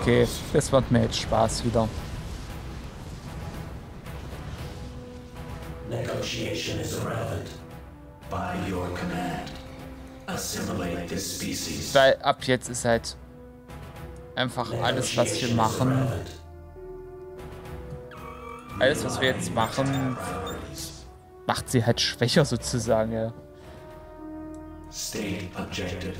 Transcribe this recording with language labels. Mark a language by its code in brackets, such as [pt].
[de] Okay, das macht mir jetzt Spaß wieder. [en] Negotiation is irrelevant. By your command. Assimilate this species. [de] Weil ab jetzt ist halt einfach alles, was wir machen. Alles, was wir jetzt machen, macht sie halt schwächer sozusagen, ja. [en] State objective.